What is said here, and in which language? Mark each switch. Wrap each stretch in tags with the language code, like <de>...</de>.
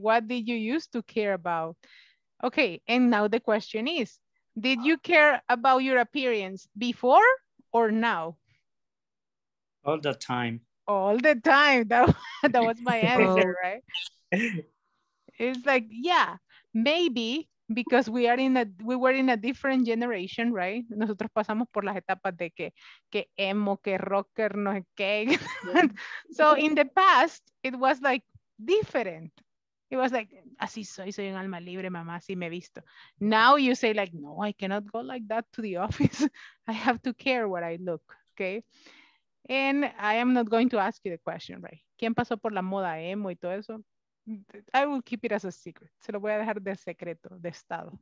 <en>What did you used to care about? Okay, and now the question is, did you care about your appearance before or now? All the time. All the time. That was my answer, right? It's like, yeah, maybe. Because we were in a different generation, right?</en> <es>Nosotros pasamos por las etapas de que emo, que rocker, no sé qué.</es> <en>So in the past, it was like different. It was like,</en> <es>así soy, soy un alma libre, mamá, así me visto.</es> <en>Now you say like, no, I cannot go like that to the office. I have to care what I look, okay? And I am not going to ask you the question, right?</en> <es>¿Quién pasó por la moda emo y todo eso?</es> <en>I will keep it as a secret.</en> <es>Se lo voy a dejar de secreto, de estado.</es>